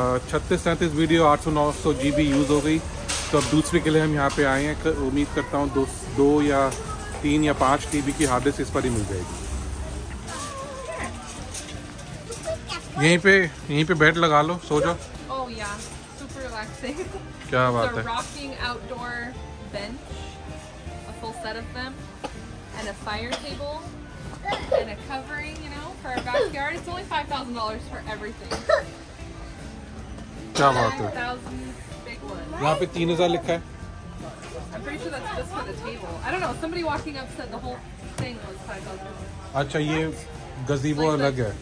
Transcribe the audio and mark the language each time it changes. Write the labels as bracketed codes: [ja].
[hi] 36-37 video 800-900 GB use हो गई, तो अब दूसरी के लिए हम यहाँ पे आए हैं। उम्मीद करता हूँ दो या तीन या 5 TB की हार्ड डिस्क इस पर ही मिल जाएगी। यहीं पे बेड लगा लो, सो जाओ। [en] Oh yeah, super relaxing. [hi] क्या बात है। [en] Rocking outdoor bench, a full set of them and a fire table and a covering, you know, for our backyard. It's only $5,000 for everything. [hi] क्या बात है। यहाँ पे 3,000 लिखा है। [en] I'm pretty sure that's just for the table. I don't know. Somebody walking up said the whole thing was $5,000. [hi] अच्छा, ये गजीबो अलग है।